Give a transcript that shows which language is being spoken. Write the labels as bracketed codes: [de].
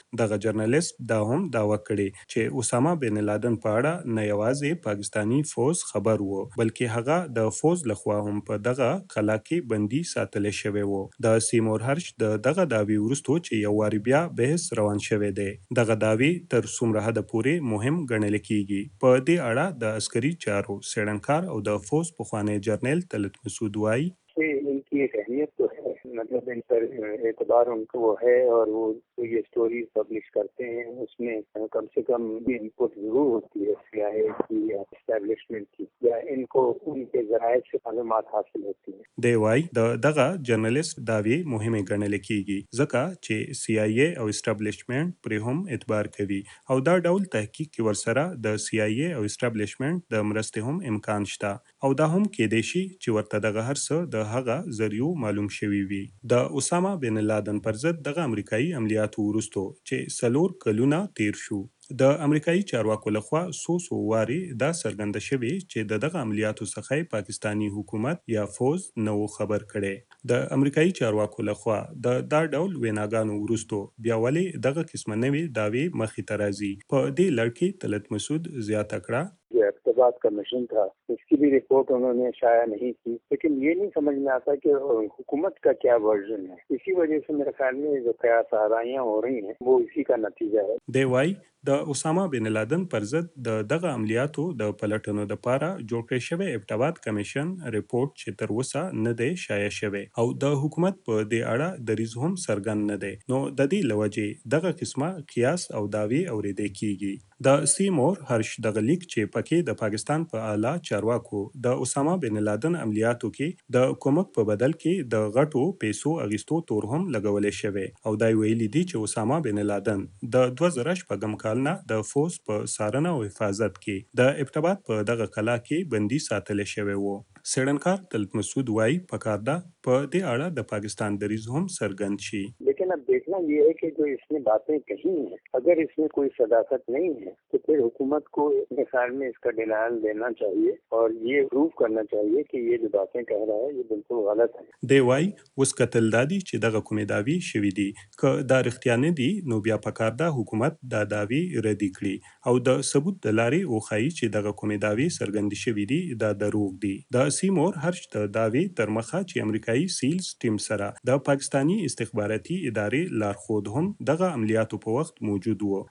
[ps] دغه جرنالیست دا هم دعوه کړې چې اسامه بن لادن په اړه نه یوازې پاکستانی فوج خبر وو، بلکې هغه د فوج لخوا هم په دغه قلعه کې بندي ساتل شوی وو. د سیمور هرش د دغه دعوی وروستو چې یو واری بیا بحث روان شوی دی، دغه دعوی تر څومره حد پورې مهم ګڼل کیږي؟ په دې اړه د عسکري چارو څېړنکار او د فوج پخوانی جرنیل تلت مسعود وایي [ur] کہ ان کی ایک اہمیت تو ہے، مطلب ان پر اعتبار ان کو وہ ہے اور وہ یہ اسٹوریز پبلش کرتے ہیں، اس میں کم سے کم بھی ان پٹ ضرور ہوتی ہے سی آئی اے کی یا اسٹیبلشمنٹ کی، یا ان کو ان کے ذرائع سے معلومات حاصل ہوتی ہے. [ps] دے وائی دا دغا جرنلسٹ داوی مهمه ګڼه لیکي گی زکا چې سی آئی اے او اسٹیبلشمنٹ پر هم اعتبار کوي، او دا ډول تحقیق کی ورسره د سی آئی اے او اسٹیبلشمنٹ د مرسته هم امکان شته، او دا هم کېدې شي چې ورته دغه هر څه د هغه ذریعو معلوم شوی وي. د اسامه بن لادن پر ضد دغه امریکایي عملیاتو وروستو چې 4 کلونه تیر شو، د امریکایي چارواکو لخوا سوسو واری دا څرګنده شوی چې د دغه عملیاتو څخه پاکستانی حکومت یا فوج نه و خبر کړی. د امریکایي چارواکو لخوا د دا ډول ویناګانو وروستو بیا ولې دغه قسمه نوې دعوی مخې ته راځي؟ په دې لړکې تلت مسعود زیاته کړه [ur] بات کمیشن تھا، اس کی بھی رپورٹ انہوں نے شائع نہیں کی، لیکن یہ نہیں سمجھ میں آتا کہ حکومت کا کیا ورژن ہے، اسی وجہ سے میرے خیال میں جو قیاس آرائیاں ہو رہی ہیں وہ اسی کا نتیجہ ہے. [ps] دے وائی د اسامه بن لادن پر ضد د دغه عملیاتو د پلټنو لپاره جوړ کړی شوی ابټآباد کمیشن رپورټ چې تر اوسه نه دی شایع شوی، او د حکومت په دې اړه دریځ هم څرګند نه دی، نو د دې له وجې دغه قسمه قیاس او دعوی اورېدې کیږي. د سیمور هرش دغه لیک چې پکې د پاکستان په اعلی چارواکو د اسامه بن لادن عملیاتو کې د کومک په بدل کې د غټو پیسو اغیستو تور هم لګولې شوی، او دا ویلي دي چې اسامه بن لادن د 2000 شپږم کالنا د فوج په سارنه او حفاظت کې د ابټآباد په دغه قلا کې بندي ساتل شوی وو. سړنکار تلت مسعود وای پکار دا په دې اړه د پاکستان دریز هم سرګند شي، [ur] لیکن اب دیکھنا یہ ہے کہ جو اس نے باتیں کہی ہیں اگر اس میں کوئی صداقت نہیں ہے تو پھر حکومت کو اپنے خیال میں اس کا ڈینائل دینا چاہیے اور یہ پروف کرنا چاہیے کہ یہ جو باتیں کہہ رہا ہے یہ بالکل غلط ہے. [ps] دے وائی اس قتل دادی چې دغه کومې داوی شوی دی که دا رښتیا نه دی، نو بیا پکار دا حکومت دا داوی رد کړي او د ثبوت د لارې وښایي چې دغه کومې داوی څرګندې شوی دی دا دروغ دی. دا سیمور هرش ته داوی تر مخه چې امریکایي سیلز ټیم سره د پاکستانی استخباراتي ادارې لارښود هم دغه عملیاتو په وخت موجود وو.